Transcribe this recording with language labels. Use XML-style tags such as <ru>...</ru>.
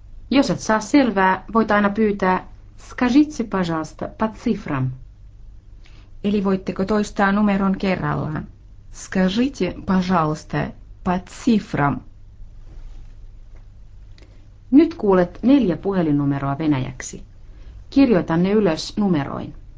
<fi>Jos et saa selvää, voit aina pyytää</fi> <ru>«Скажите, пожалуйста, по цифрам».</ru> <fi>Eli voitteko toistaa numeron kerrallaan?</fi> <ru>«Скажите, пожалуйста, по цифрам».</ru> <fi>Nyt kuulet 4 puhelinnumeroa venäjäksi. Kirjoita ne ylös numeroin.</fi>